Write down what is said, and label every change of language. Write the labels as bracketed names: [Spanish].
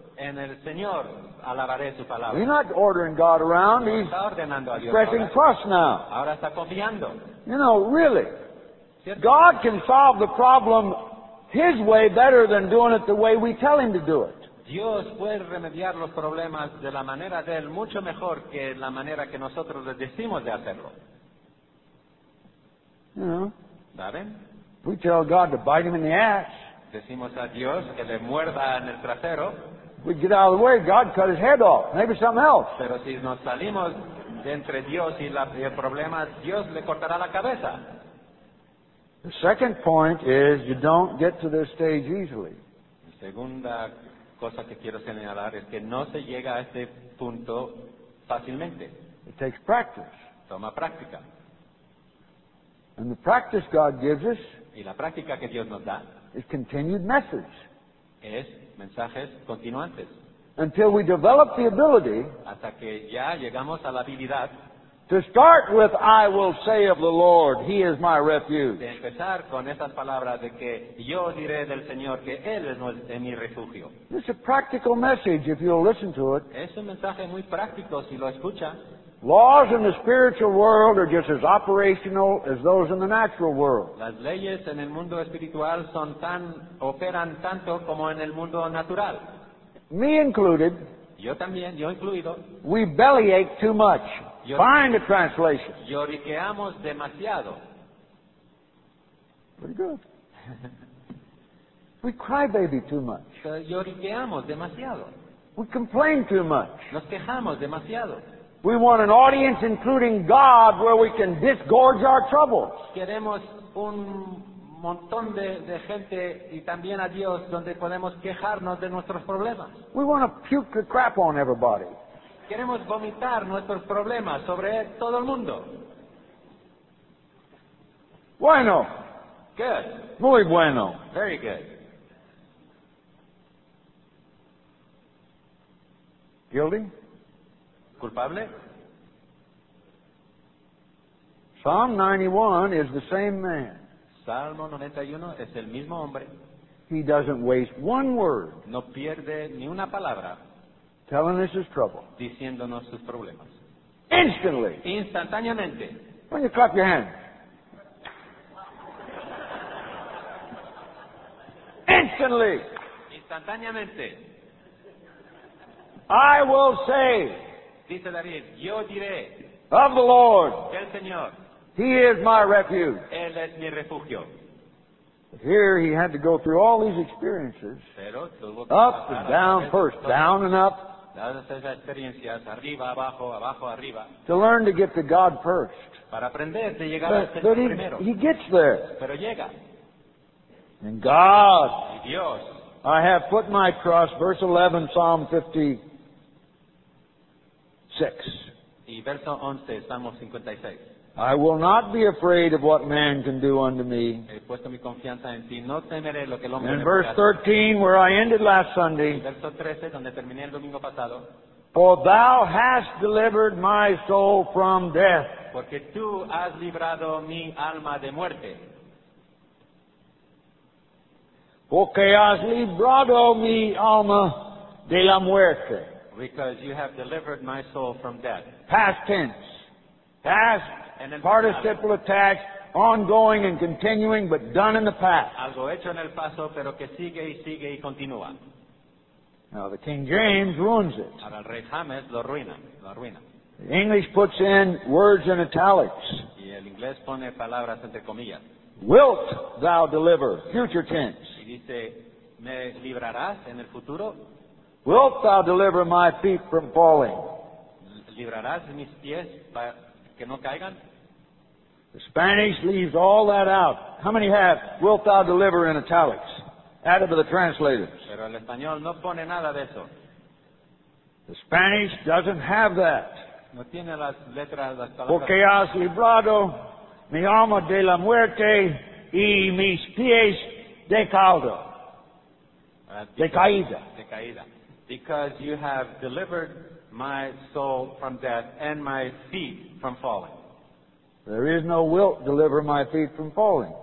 [Spanish] En el Señor alabaré su palabra. [English] He's not ordering God around. [Spanish] No está ordenando a Dios. [English] He's expressing trust now. [Spanish] Ahora está confiando. [English] You know, really. [Spanish] ¿Cierto? [English] God can solve the problem his way better than doing it the way we tell him to do it. [Spanish] Dios puede remediar los problemas de la manera de Él mucho mejor que la manera que nosotros les decimos de hacerlo. ¿Saben? [English] We tell God to bite him in the ass. [Spanish] Decimos a Dios que le muerda en el trasero. [English] We get out of the way, God cut his head off. Maybe something else. [Spanish] Pero si nos salimos de entre Dios y el problema, Dios le cortará la cabeza. [English] The second point is you don't get to this stage easily. [Spanish] Segunda cosa que quiero señalar es que no se llega a este punto fácilmente. [English] It takes practice. [Spanish] Toma práctica. [English] And the practice God gives us, [Spanish] y la práctica que Dios nos da, [English] is continued message. [Spanish] Es mensajes continuantes. [English] Until we develop the ability, [Spanish] hasta que ya llegamos a la habilidad, [English] to start with, I will say of the Lord, He is my refuge. [Spanish] De empezar con esas palabras de que yo diré del Señor que Él es mi refugio. [English] This is a practical message if you'll listen to it. [Spanish] Es un mensaje muy práctico si lo escucha. [English] Laws in the spiritual world are just as operational as those in the natural world. [Spanish] Las leyes en el mundo espiritual son tan operan tanto como en el mundo natural. [English] Me included. [Spanish] Yo también, yo incluido. [English] We bellyache too much. Find a translation. [Spanish] Lloriqueamos demasiado. [English] Pretty good. We cry baby too much. [Spanish] Lloriqueamos demasiado. [English] We complain too much. [Spanish] Nos quejamos demasiado. [English] We want an audience including God where we can disgorge our troubles. [Spanish] Queremos un montón de gente y también a Dios donde podemos quejarnos de nuestros problemas. [English] We want to puke the crap on everybody. [Spanish] Queremos vomitar nuestros problemas sobre todo el mundo. Bueno. [English] Good. [Spanish] Muy bueno. [English] Very good. Guilty? [Spanish] Culpable? [English] Psalm 91 is the same man. [Spanish] Salmo 91 es el mismo hombre. [English] He doesn't waste one word. [Spanish] No pierde ni una palabra. [English] Telling us his trouble. [Spanish] Diciéndonos sus problemas. [English] Instantly. [Spanish] Instantáneamente. [English] When you clap your hands. Instantly. [Spanish] Instantáneamente. [English] I will say. [Spanish] Dice David, yo diré. [English] Of the Lord. [Spanish] Del Señor. [English] He is my refuge. [Spanish] Él es mi refugio. [English] Here he had to go through all these experiences. [Spanish] Pero tuvo que [English] up and down, first down and up. [Spanish] Todas esas experiencias, arriba, abajo, abajo, arriba. [English] To learn to get to God first. [Spanish] Para aprender de llegar [English] but, [Spanish] al Señor [English] but he, [Spanish] primero. [English] He gets there. [Spanish] Pero llega. [English] And God, [Spanish] y Dios, [English] I have put my trust, verse 11, Psalm 56. [Spanish] Y verso 11, Salmo 56. [English] I will not be afraid of what man can do unto me. [Spanish] He puesto mi confianza en ti. No temeré lo que el hombre [English] in verse 13, where I ended last Sunday, [Spanish] verso 13, donde terminé el domingo pasado, [English] for thou hast delivered my soul from death. [Spanish] Porque tú has librado mi alma de muerte. Porque has librado mi alma de la muerte. [English] Because you have delivered my soul from death. Past tense. Past participle attached, ongoing and continuing, but done in the past. [Spanish] Algo hecho en el paso, pero que sigue y sigue y continúa. [English] Now the King James ruins it. [Spanish] Ahora el Rey James lo arruina, lo arruina. [English] The English puts in words in italics. [Spanish] Y el inglés pone palabras entre comillas. [English] Wilt thou deliver? Future tense. [Spanish] Y dice, ¿me librarás en el futuro? [English] Wilt thou deliver my feet from falling? [Spanish] ¿Librarás mis pies para que no caigan? [English] The Spanish leaves all that out. How many have wilt thou deliver in italics? Added to the translators. [Spanish] Pero el español no pone nada de eso. [English] The Spanish doesn't have that. [Spanish] No tiene las letras, las palabras. Porque has librado mi alma de la muerte y mis pies de caldo. De caída. De caída. [English] Because you have delivered my soul from death and my feet from falling. There is no wilt deliver my feet from falling.